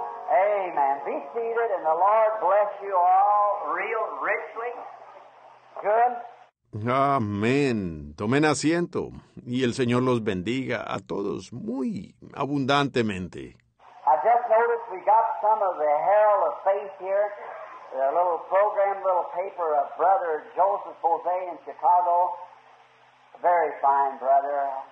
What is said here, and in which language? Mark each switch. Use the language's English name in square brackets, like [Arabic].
[English] Amen. Be seated and the Lord bless you. bless you all real richly. Good. [Spanish] Amén. Tomen asiento y el Señor los bendiga a todos muy abundantemente. [English] I just noticed we got some of the Herald of Faith here, a little program, little paper of Brother Joseph Bose in Chicago. A very fine brother.